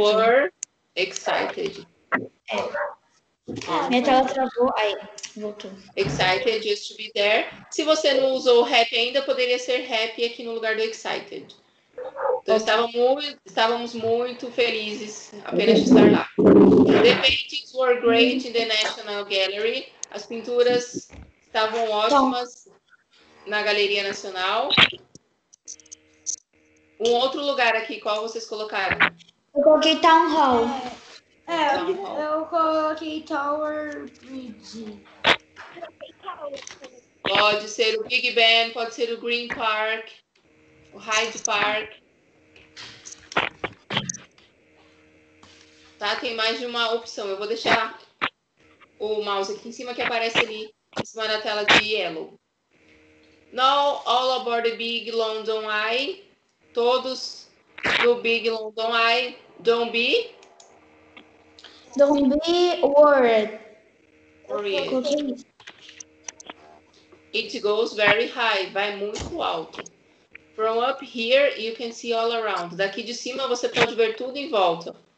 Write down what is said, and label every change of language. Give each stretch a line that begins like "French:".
English: We were excited.
Portuguese: É. Minha tela travou, aí, voltou.
English: Excited just to be there.
Portuguese: Se você não usou o happy ainda, poderia ser happy aqui no lugar do excited. Então, estávamos muito felizes apenas de estar lá.
English: The paintings were great in the National Gallery.
Portuguese: As pinturas estavam ótimas na Galeria Nacional. Um outro lugar aqui, qual vocês colocaram? Eu coloquei Town Hall. É, eu coloquei Tower Bridge. Pode ser o Big Ben, pode ser o Green Park, o Hyde Park. Tá, tem mais de uma opção. Eu vou deixar o mouse aqui em cima que aparece ali em cima da tela de yellow.
English: Now all aboard the Big London Eye.
Portuguese: Todos do
English: Big London Eye. Don't be worried. It goes very high.
Portuguese: Vai muito alto.
English: From up here, you can see all around.
Portuguese: Daqui de cima, você pode ver tudo em volta.